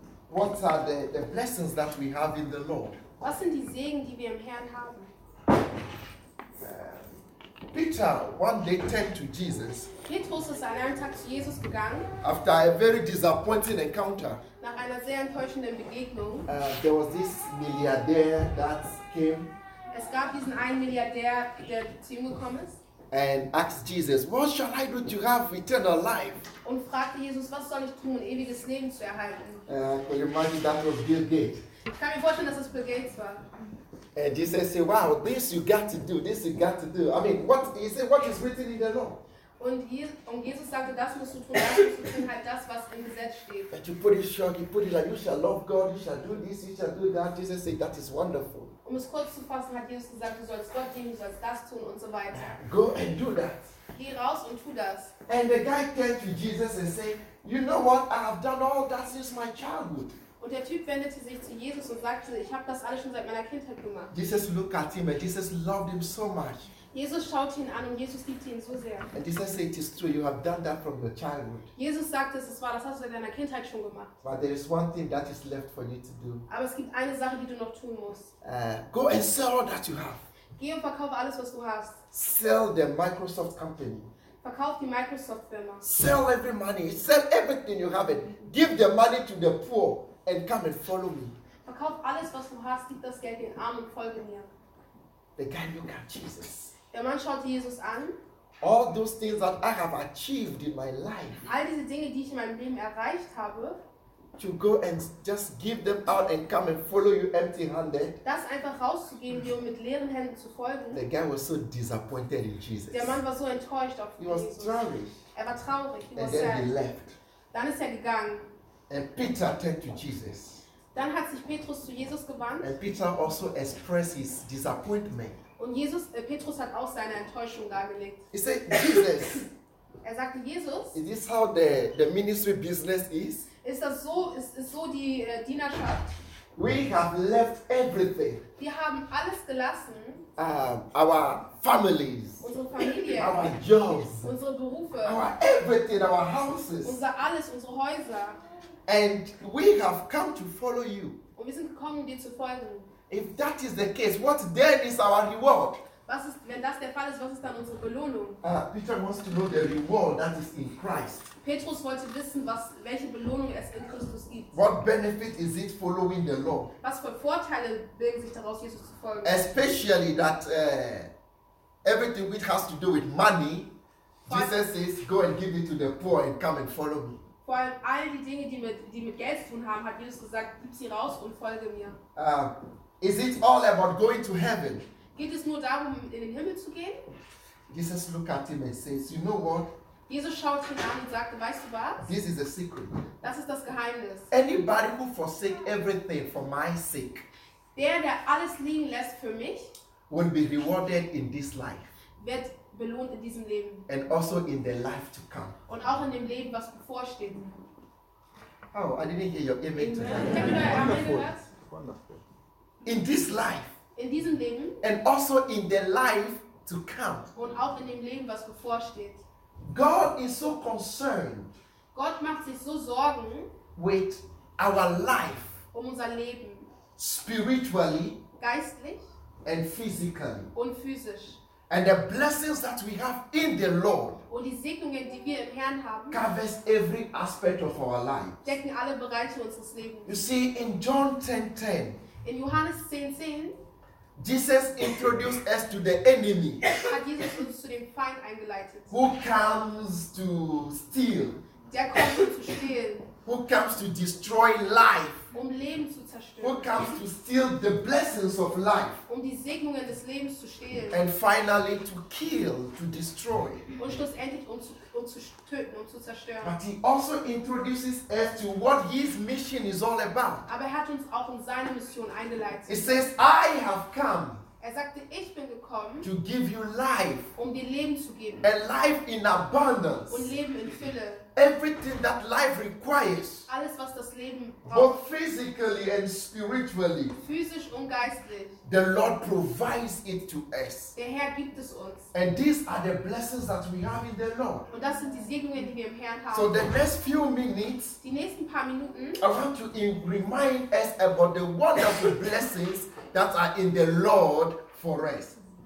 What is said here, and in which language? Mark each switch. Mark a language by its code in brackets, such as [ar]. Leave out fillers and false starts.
[en] What are the blessings that we have in the Lord? [de] Was sind die Segen, die wir im Herrn haben? [en] Peter one day turned to Jesus. [de] Petrus ist an einem Tag zu Jesus gegangen. [en] After a very disappointing encounter. [de] Nach einer sehr enttäuschenden Begegnung. [en] There was this milliardär that came. [de] Es gab diesen einen Milliardär, der zu ihm gekommen ist. [en] And asked Jesus, "What shall I do to have eternal life?" [de] Und fragte Jesus, was soll ich tun, um ewiges Leben zu erhalten? [en] Can you imagine that was Bill Gates? [de] Ich kann mir vorstellen, dass es Bill Gates war. [en] And Jesus said, "Wow, this you got to do. This you got to do. I mean, what he said, what is written in the law?" [de] Und Jesus sagte, das musst du tun. Das musst du tun, halt das, was im Gesetz steht. [en] But you put it short. You put it like, "You shall love God. You shall do this. You shall do that." Jesus said, "That is wonderful." [de] Um es kurz zu fassen, hat Jesus gesagt, du sollst Gott dienen, du sollst das tun und so weiter. [en] Go and do that. [de] Geh raus und tu das. [en] And the guy turned to Jesus and said, "You know what? I have done all that since my childhood." [de] Und der Typ wendete sich zu Jesus und sagte, ich habe das alles schon seit meiner Kindheit gemacht. [en] Jesus looked at him and Jesus loved him so much. [de] Jesus schaut ihn an und Jesus liebt ihn so sehr. [en] And Jesus said, "It is true, you have done that from your childhood." [de] Jesus sagte, es ist wahr, das hast du seit deiner Kindheit schon gemacht. [en] But there is one thing that is left for you to do. [de] Aber es gibt eine Sache, die du noch tun musst. [en] Go and sell all that you have. [de] Geh und verkaufe alles, was du hast. [en] Sell the Microsoft company. [de] Verkauf die Microsoft Firma. [en] Sell every money, sell everything you have. Give the money to the poor and come and follow me. [de] Verkauf alles, was du hast, gib das Geld den Armen und folge mir. [en] The guy looked at Jesus. [de] Der Mann schaute Jesus an. [en] All those things that I have achieved in my life. [de] All diese Dinge, die ich in meinem Leben erreicht habe. [en] To go and just give them out and come and follow you empty-handed. [de] Das einfach rauszugeben, dir mit leeren Händen zu folgen. [en] The guy was so disappointed in Jesus. [de] Der Mann war so enttäuscht auf Jesus. [en] He was traurig. [de] Er war traurig. [en] And then he left. [de] Dann ist er gegangen. [en] And Peter turned to Jesus. [de] Dann hat sich Petrus zu Jesus gewandt. [en] And Peter also expressed his disappointment. [de] Und Jesus, Petrus hat auch seine Enttäuschung dargelegt. [en] He said, "Jesus." [de] Er sagte, Jesus. [en] Is this how the ministry business is? [de] Ist das so? Ist so die Dienerschaft? [en] We have left everything. [de] Wir haben alles gelassen. [en] Our families. [de] Unsere Familie. [en] Our jobs. [de] Unsere Berufe. [en] Our everything, our houses. [de] Unser alles, unsere Häuser. [en] And we have come to follow you. [de] Und wir sind gekommen, dir zu folgen. [en] If that is the case, what then is our reward? [de] Was ist, wenn das der Fall ist, was ist dann unsere Belohnung? [en] Peter wants to know the reward that is in Christ. [de] Petrus wollte wissen, was, welche Belohnung es in Christus gibt. [en] What benefit is it following the law? [de] Was für Vorteile bilden sich daraus, Jesus zu folgen? [en] Especially that everything which has to do with money, Jesus says, "Go and give it to the poor and come and follow me." [de] Vor allem all die Dinge, die mit Geld zu tun haben, hat Jesus gesagt, gib sie raus und folge mir. [en] Is it all about going to heaven? [de] Geht es nur darum, in den Himmel zu gehen? [en] Jesus looked at him and says, "You know what?" [de] Jesus schaut ihn an und sagte, weißt du was? [en] This is the secret. [de] Das ist das Geheimnis. [en] Anybody who forsake everything for my sake. [de] Der alles liegen lässt für mich. [en] Will be rewarded in this life. [de] Wird belohnt in diesem Leben. [en] And also in the life to come. [de] Und auch in dem Leben, was bevorsteht. [en] Oh, I didn't hear your amen to that. Wonderful. In this life. [de] In diesem Leben. [en] And also in the life to come. [de] Und auch in dem Leben, was bevorsteht. [en] God is so concerned. [de] Gott macht sich so Sorgen. [en] With our life. [de] Um unser Leben. [en] Spiritually. [de] Geistlich. [en] And physically. [de] Und physisch. [en] And the blessings that we have in the Lord. [de] Und die Segnungen, die wir im Herrn haben. [en] Covers every aspect of our life. [de] Decken alle Bereiche unseres Lebens. [en] You see, in John 10:10. [de] In Johannes 10:10, [en] Jesus introduced us to the enemy. [de] Hat Jesus uns zu dem Feind eingeleitet. [en] Who comes to steal? [de] Der kommt, um zu stehlen. [en] Who comes to destroy life? [de] Um Leben zu zerstören. [en] Who comes to steal the blessings of life? [de] Um die Segnungen des Lebens zu stehlen. [en] And finally to kill, to destroy. [de] Und schlussendlich um zu töten, um zu zerstören. [en] But he also introduces us to what his mission is all about. [de] Aber er hat uns auch in seine Mission eingeleitet. [en] He says, "I have come." [de] Er sagte, ich bin gekommen, [en] to give you life, [de] um dir Leben zu geben. [en] A life in abundance. [de] Und Leben in Fülle. [en] Everything that life requires. [de] Alles, was das Leben braucht, [en] both physically and spiritually. [de] Physisch und geistlich. [en] The Lord provides it to us. [de] Der Herr gibt es uns. [en] And these are the blessings that we have in the Lord. [de] Und das sind die Segnungen, die wir im Herrn haben. [en] So the next few minutes, [de] die nächsten paar Minuten, [en] I want to remind us about the wonderful blessings that are in the Lord for us.